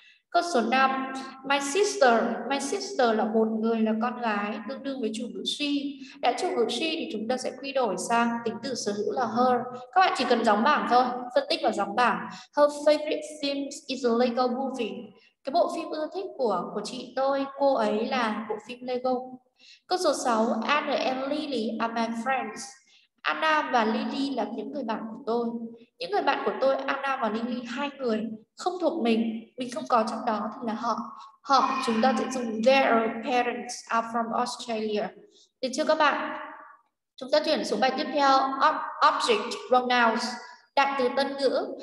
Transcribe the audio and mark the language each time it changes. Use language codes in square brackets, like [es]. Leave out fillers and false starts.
[vi] Câu số 5, my sister là một người, là con gái, tương đương với chủ ngữ she. Đã chủ ngữ she thì chúng ta sẽ quy đổi sang tính từ sở hữu là her. Các bạn chỉ cần gióng bảng thôi, phân tích và gióng bảng. [en] Her favorite film is a Lego movie. [vi] Cái bộ phim ưa thích của chị tôi, cô ấy là bộ phim Lego. Câu số 6, [en] Anna and Lily are my friends. [vi] Anna và Lily là những người bạn của tôi. Những người bạn của tôi, Anna và Lily, hai người không thuộc mình không có trong đó thì là họ. Họ, chúng ta sẽ dùng [en] their parents are from Australia. [vi] Được chưa các bạn? Chúng ta chuyển xuống bài tiếp theo, object pronouns. Đại từ tân ngữ.